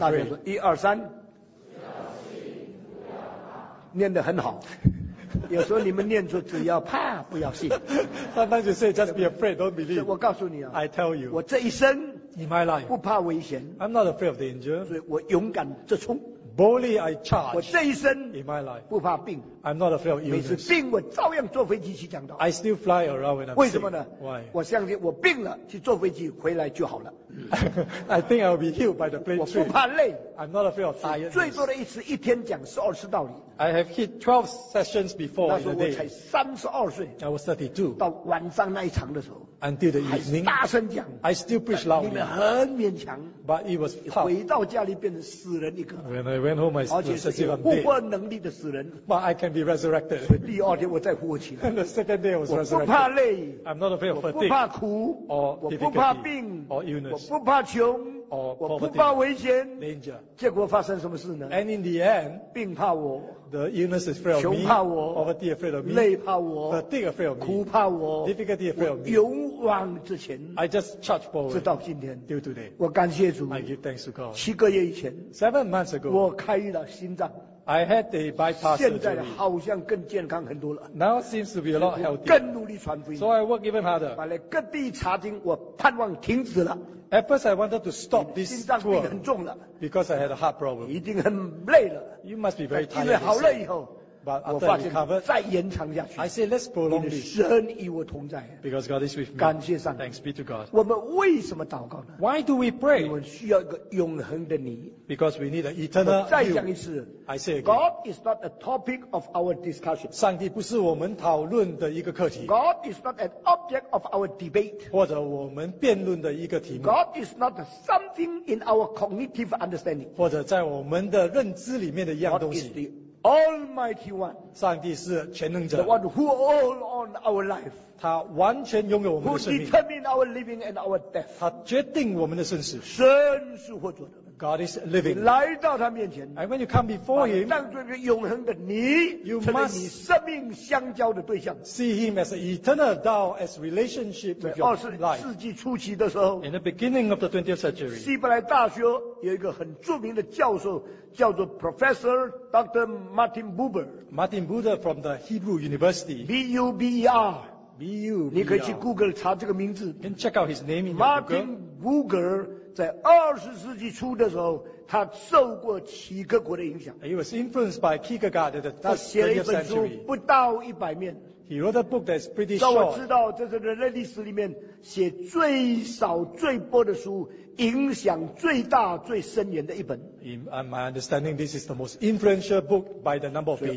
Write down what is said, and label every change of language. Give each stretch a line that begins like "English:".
Chinese: 大家说一二三, 念得很好。有时候你们念出只要怕, 不要信。
English: Sometimes you say, just be afraid, don't believe.
Chinese: 我告诉你啊,
English: I tell you,
Chinese: 我这一生,
English: in my life,
Chinese: 不怕危险,
English: I'm not afraid of danger,
Chinese: 所以我勇敢直冲。
English: Boldly I charge,
Chinese: 我这一生,
English: in my life,
Chinese: 不怕病,
English: I'm not afraid of illness.
Chinese: 每次病, 我照样坐飞机去讲道。
English: I still fly around when I'm
Chinese: 为什么呢?
English: Sick. Why?
Chinese: 我相信我病了, 去坐飞机, 回来就好了。
English: I think I'll be healed by the plane trip.
Chinese: 我不怕累,
English: I'm not afraid of tiredness.
Chinese: 最多的一次, 一天讲12次道理。
English: I have hit 12 sessions before in a day.
Chinese: 那时候我才32岁,
English: I was 32.
Chinese: 到晚上那一场的时候,
English: until the evening,
Chinese: 还大声讲,
English: I still preach loudly.
Chinese: 里面很勉强,
English: but it was tough.
Chinese: 回到家里变成死人一个,
English: when I went home, I was as if I'm dead.
Chinese: 而且是复活能力的死人,
English: but I can be resurrected.
Chinese: 所以第二天我再复活起来,
English: and the second day I was resurrected.
Chinese: 我不怕累,
English: I'm not afraid of fatigue,
Chinese: 我不怕苦,
English: or difficulty,
Chinese: 我不怕病,
English: or illness,
Chinese: 我不怕穷,
English: or poverty,
Chinese: 我不怕危险,
English: danger.
Chinese: 结果发生什么事呢?
English: And in the end,
Chinese: 病怕我,
English: the illness is afraid of me,
Chinese: 穷怕我,
English: poverty afraid of me,
Chinese: 累怕我,
English: fatigue afraid of me,
Chinese: 苦怕我,
English: difficulty afraid of me.
Chinese: 勇往直前,
English: I just charge forward,
Chinese: 直到今天,
English: till today.
Chinese: 我感谢主,
English: I give thanks to God.
Chinese: 7个月以前,
English: 7 months ago,
Chinese: 我开了心脏,
English: I had a bypass surgery.
Chinese: 现在好像更健康很多了,
English: now seems to be a lot healthier.
Chinese: 更努力传福音,
English: so I work even harder.
Chinese: 把来各地查经, 我盼望停止了,
English: at first I wanted to stop this tour because I had a heart problem.
Chinese: 一定很累了,
English: you must be very tired.
Chinese: 因为好累以后,
English: but after I recovered,
Chinese: 再延长下去,
English: I said let's prolong this,
Chinese: 神与我同在,
English: because God is with me.
Chinese: 感谢上帝,
English: thanks be to God.
Chinese: 我们为什么祷告呢?
English: Why do we pray?
Chinese: 我们需要一个永恒的你,
English: because we need an eternal you.
Chinese: 我再讲一次,
English: I say again, God is not a topic of our discussion.
Chinese: 上帝不是我们讨论的一个课题,
English: God is not an object of our debate,
Chinese: 或者我们辩论的一个题目,
English: God is not something in our cognitive understanding,
Chinese: 或者在我们的认知里面的一样东西,
English: God is the Almighty One,
Chinese: 上帝是全能者,
English: the one who holds on our life,
Chinese: 他完全拥有我们的生命,
English: who determines our living and our death,
Chinese: 他决定我们的生死, 神是活着的,
English: God is living.
Chinese: 来到他面前,
English: and when you come before him,
Chinese: 把上帝永恒的你,
English: you must
Chinese: 成为你生命相交的对象,
English: see him as an eternal thou, as relationship with your life.
Chinese: 20世纪初期的时候,
English: in the beginning of the 20th century,
Chinese: 希伯来大学有一个很著名的教授, 叫做 Professor Dr.
English: Martin Buber. Martin Buber from the Hebrew University. B-U-B-E-R. B-U-B-E-R.
Chinese: 你可以去Google查这个名字。
English: You can check out his name in your Martin Google. Martin Buber.
Chinese: 在20世纪初的时候, 他受过七个国的影响,
English: he was influenced by Kierkegaard at the
Chinese: 他写了一本书, 不到100面,
English: he wrote a book that's pretty short.
Chinese: 我知道这是人类历史里面写最少最薄的书, 影响最大最深远的一本。
English: In my understanding, this is the most influential book by the number of pages.